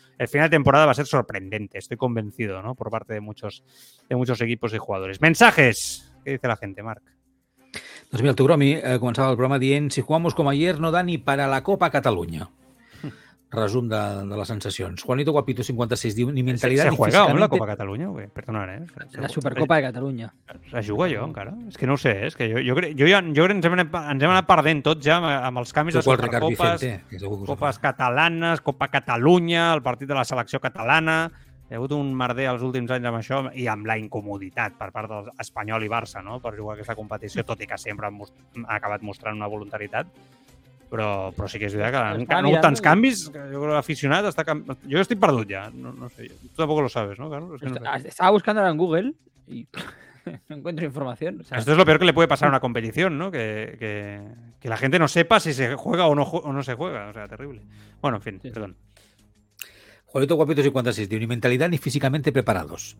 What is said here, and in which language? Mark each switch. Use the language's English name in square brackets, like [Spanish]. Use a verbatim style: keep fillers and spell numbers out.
[Spanish] El final de temporada va a ser sorprendente, estoy convencido, ¿no? Por parte de muchos, de muchos equipos y jugadores. ¡Mensajes! ¿Qué dice la gente, Marc? [Catalan] Doncs mira, el Tugromi eh, començava el programa dient [Spanish] si jugamos como ayer no da ni para la Copa Cataluña. [Catalan] Resum de, de les sensacions. Juanito Guapito cincuenta y seis diu ni mentalitat... [Spanish] Se, se juega físicamente... la Copa Cataluña, güey. Perdonad, eh? [Catalan] La Supercopa de Catalunya. La juga jo, encara? És que no ho sé, és que jo, jo crec que ens, ens hem anat perdent tots ja amb els canvis de Supercopes, Copes Catalanes, Copa Catalunya, el partit de la selecció catalana... Hi ha hagut un merder els últims anys amb això i amb la incomoditat per part del Espanyol i Barça, no? Per jugar aquesta competició, tot i que sempre han, most... han acabat mostrant una voluntarietat. Però, però sí que és veritat que han hagut no, tants canvis que jo crec que l'aficionat està... Cam... Jo estic perdut ja, no, no sé. [Spanish] Tu tampoc lo sabes, ¿no, Carlos? Es que no sé. Estaba buscando en Google y no encuentro información. O sea... Esto es lo peor que le puede pasar a una competición, ¿no? Que, que, que la gente no sepa si se juega o no, o no se juega. O sea, terrible. Bueno, en fin, sí. Perdón. Juanito Guapito cincuenta y seis, de ni mentalidad ni físicamente preparados.